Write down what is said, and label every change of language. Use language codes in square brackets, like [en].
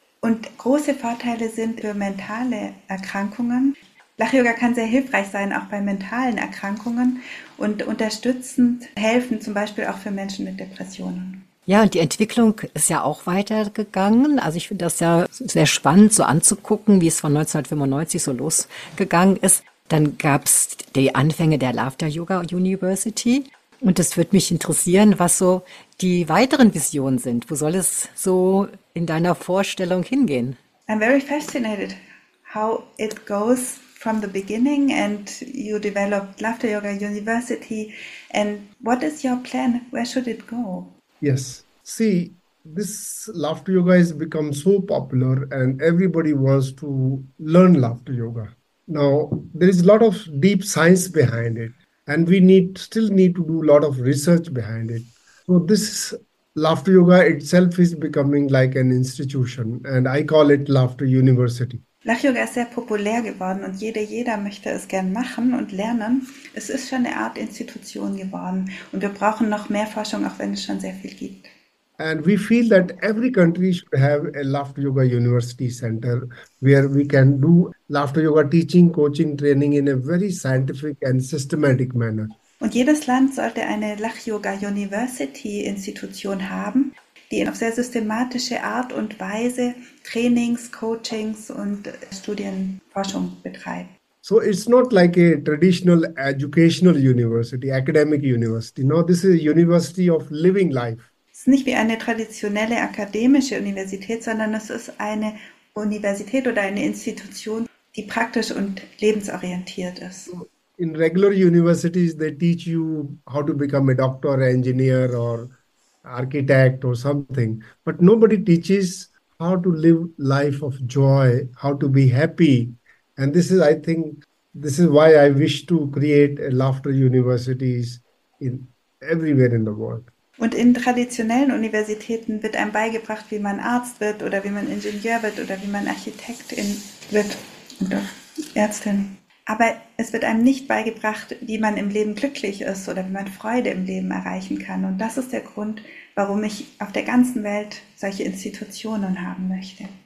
[de] Und große Vorteile sind für mentale Erkrankungen. Lachyoga kann sehr hilfreich sein, auch bei mentalen Erkrankungen und unterstützend helfen, zum Beispiel auch für Menschen mit Depressionen. Ja, und die Entwicklung ist ja auch weitergegangen. Also ich finde das ja sehr spannend, so anzugucken, wie es von 1995 so losgegangen ist. Dann gab es die Anfänge der Laughter Yoga University. Und es würde mich interessieren, was so die weiteren Visionen sind. Wo soll es so in deiner Vorstellung hingehen? [en] I'm very fascinated how it goes from the beginning and you developed Laughter Yoga University. And what is your plan? Where should it go? Yes. See, this laughter yoga has become so popular and everybody wants to learn laughter yoga. Now, there is a lot of deep science behind it and we still need to do a lot of research behind it. So this laughter yoga itself is becoming like an institution and I call it Laughter University. [de] Lachyoga ist sehr populär geworden und jeder möchte es gern machen und lernen. Es ist schon eine Art Institution geworden und wir brauchen noch mehr Forschung, auch wenn es schon sehr viel gibt. [en] And we feel that every country should have a laughter yoga university center where we can do laughter yoga teaching, coaching, training in a very scientific and systematic manner. [de] Und jedes Land sollte eine Lach-Yoga-University-Institution haben, die auf sehr systematische Art und Weise Trainings, Coachings und Studienforschung betreibt. [en] So it's not like a traditional educational university, academic university. No, this is a university of living life. [de] Es ist nicht wie eine traditionelle akademische Universität, sondern es ist eine Universität oder eine Institution, die praktisch und lebensorientiert ist. [en] In regular universities, they teach you how to become a doctor, an engineer or architect or something. But nobody teaches how to live life of joy, how to be happy. And this is, I think, this is why I wish to create a laughter universities in everywhere in the world. [de] Und in traditionellen Universitäten wird einem beigebracht, wie man Arzt wird oder wie man Ingenieur wird oder wie man Architektin wird oder Ärztin. Aber es wird einem nicht beigebracht, wie man im Leben glücklich ist oder wie man Freude im Leben erreichen kann. Und das ist der Grund, warum ich auf der ganzen Welt solche Institutionen haben möchte.